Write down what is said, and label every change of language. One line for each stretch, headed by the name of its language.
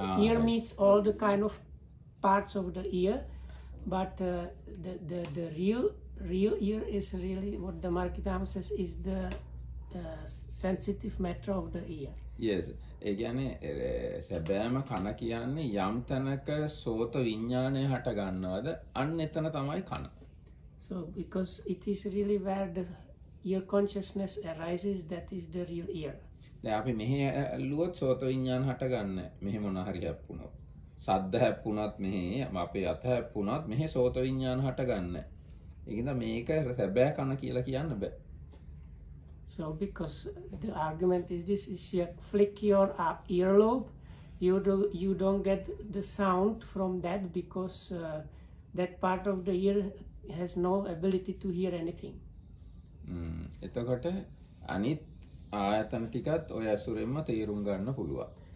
English: Ear meats all the kind of parts of the ear, but the real ear is really what the Dhammara Kitana says is the sensitive matter of the ear. Yes.
Sinhala: ඒ කියන්නේ සැබෑම කන කියන්නේ යම් තැනක සෝත විඥානය හට ගන්නවද අන්න එතන තමයි කන.
English: So because it is really where the ear consciousness arises, that is the real ear.
Sinhala: දැන් අපි මෙහෙ ඇල්ලුවොත් සෝත විඥාන හට ගන්නෑ. මෙහෙ මොන හරි හැප්පුණොත් සද්ද හැප්පුණත් මෙහෙ අපේ අත හැප්පුණත් මෙහෙ සෝත විඥාන හට ගන්නෑ. ඒක නිසා මේක සැබෑ කන කියලා කියන්න බෑ.
English: So because the argument is this, is you flick your earlobe, you don't get the sound from that because that part of the ear has no ability to hear anything.
Sinhala: එතකොට අනිත් ආයතන ටිකත් ඔය ඇසුරෙන්ම තේරුම් ගන්න පුළුවන්.